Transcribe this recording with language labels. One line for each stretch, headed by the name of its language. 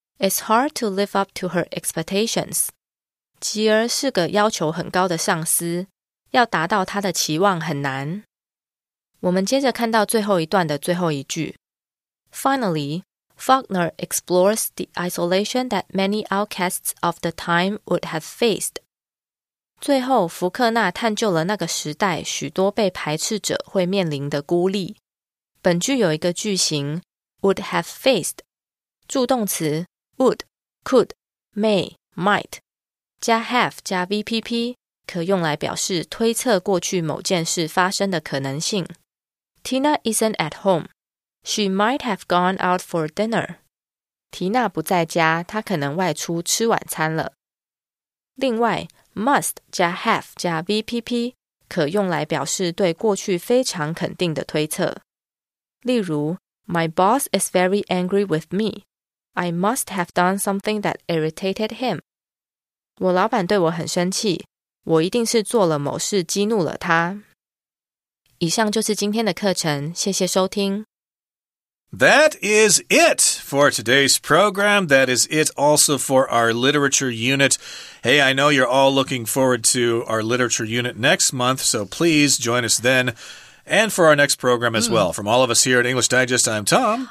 English: It's hard to live up to her expectations.
Chinese: 吉尔是个要求很高的上司,要达到他的期望很难。我们接着看到最后一段的最后一句。
English: Finally, Faulkner explores the isolation that many outcasts of the time would have faced.
Chinese: 最后,福克纳探究了那个时代许多被排斥者会面临的孤立。本句有一个句型
English: would have faced,
Chinese: 助动词 would, could, may, might, 加 have 加 VPP, 可用来表示推测过去某件事发生的可能性。
English: Tina isn't at home. She might have gone out for dinner.
Chinese: 提娜不在家,她可能外出吃晚餐了。另外 ,must 加 have 加 VPP, 可用来表示对过去非常肯定的推测。例如
English: ,My boss is very angry with me. I must have done something that irritated him.
Chinese: 我老板对我很生气,我一定是做了某事激怒了他。以上就是今天的课程,谢谢收听。
English: That is it for today's program. That is it also for our literature unit. Hey, I know you're all looking forward to our literature unit next month, so please join us then. And for our next program as well. From all of us here at English Digest, I'm Tom.